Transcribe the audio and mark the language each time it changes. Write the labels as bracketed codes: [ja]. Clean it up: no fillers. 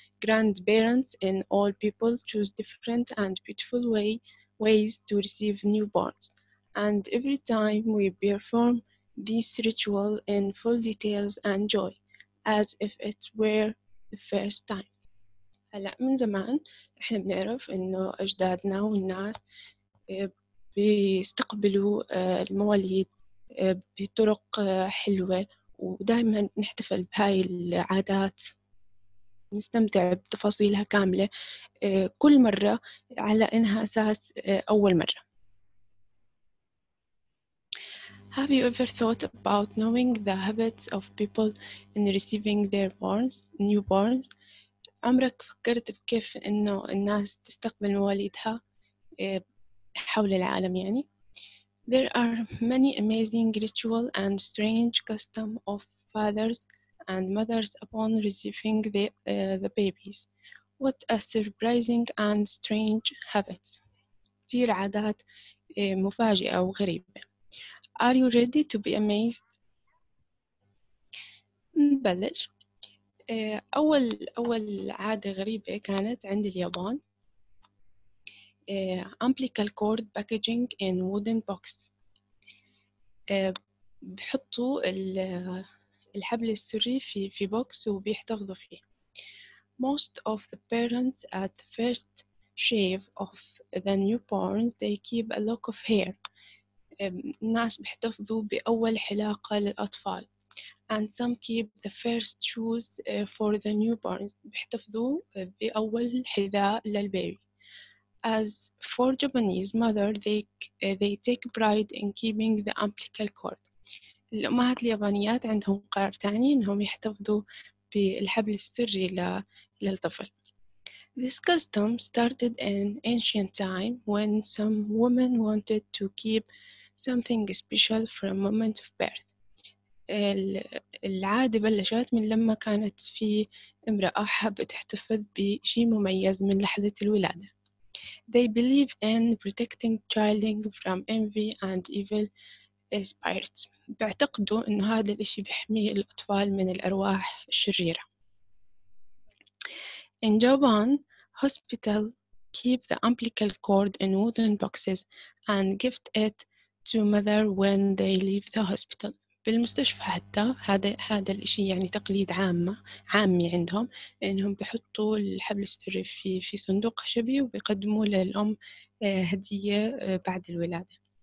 [en] Grandparents and old people choose different and beautiful ways to receive newborns. And every time we perform this ritual in full details and joy, as if it were the first time. [ar] هلا من زمان احنا بنعرف انه اجدادنا والناس بيستقبلوا المواليد بطرق حلوة، ودائما نحتفل بهاي العادات، نستمتع بتفاصيلها كاملة كل مرة على إنها أساس أول مرة. [en] Have you ever thought about knowing the habits of people in receiving their newborns؟ [ar] عمرك فكرت بكيف إنه الناس تستقبل مواليدها حول العالم؟ [en] يعني There are many amazing ritual and strange custom of fathers and mothers upon receiving the babies. What a surprising and strange habits. [ar] كتير عادات مفاجئة وغريبة. [en] Are you ready to be amazed? [ar] نبلش. أول عادة غريبة كانت عند اليابان. [en] umbilical cord packaging in wooden box. [ar] بحطوا الحبل السري في بوكس وبيحتفظوا فيه. [en] Most of the parents at the first shave of the newborn, they keep a lock of hair. [ar] الناس بيحتفظوا بأول حلاقة للأطفال. [en] And some keep the first shoes for the newborns. [ar] بيحتفظوا بأول حذاء للبيبي. [en] As for Japanese mother, they take pride in keeping the umbilical cord. [ar] الأمهات اليابانيات عندهم قرار تاني إنهم يحتفظوا بالحبل السري للطفل. [en] This custom started in ancient time when some women wanted to keep something special for a moment of birth. [ar] العادة بلشت من لما كانت في امرأة حابة تحتفظ بشيء مميز من لحظة الولادة. [en] They believe in protecting childing from envy and evil spirits. [ar] بيعتقدوا إنه هذا الإشي بيحمي الأطفال من الأرواح الشريرة. [en] In Japan, hospitals keep the umbilical cord in wooden boxes and gift it to mother when they leave the hospital. [ar] بالمستشفى حتى هذا الإشي يعني تقليد عامي عندهم إنهم بيحطوا الحبل السري في صندوق خشبي وبيقدموا للأم هدية بعد الولادة.